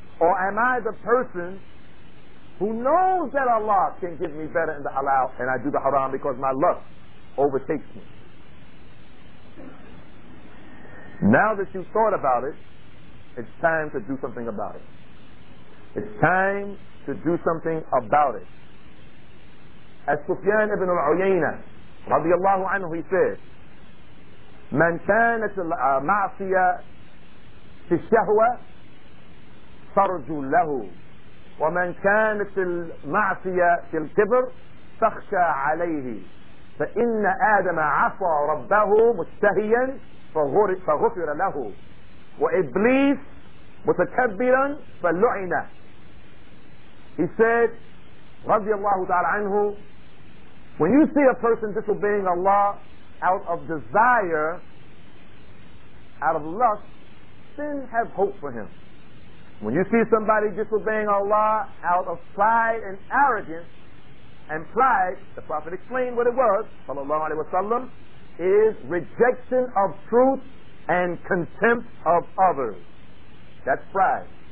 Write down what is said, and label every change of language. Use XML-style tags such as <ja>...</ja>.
<en>Or am I the person who knows that Allah can give me better in the halal and I do the haram because my lust overtakes me? Now that you've thought about it, it's time to do something about it. It's time to do something about it. As Sufyan ibn al-Uyayna radiallahu anhu, he said,</en> <ar>من كانت المعصية في الشهوة فرجوا له وَمَنْ كَانَتِ الْمَعْصِيَ فِي الْكِبْرِ فَخْشَى عَلَيْهِ فَإِنَّ آدَمَ عَصَى رَبَّهُ مُشْتَهِيًا فَغُفِرَ لَهُ وَإِبْلِيسَ مُتَكَبِّرًا فَلُعِنَ.</ar> <en>He said,</en> <ar>رضي الله تعالى عنه,</ar> <en>when you see a person disobeying Allah out of desire, out of lust, then have hope for him. When you see somebody disobeying Allah out of pride and arrogance, and pride, the Prophet explained what it was, sallallahu alaihi wasallam, is rejection of truth and contempt of others. That's pride.</en>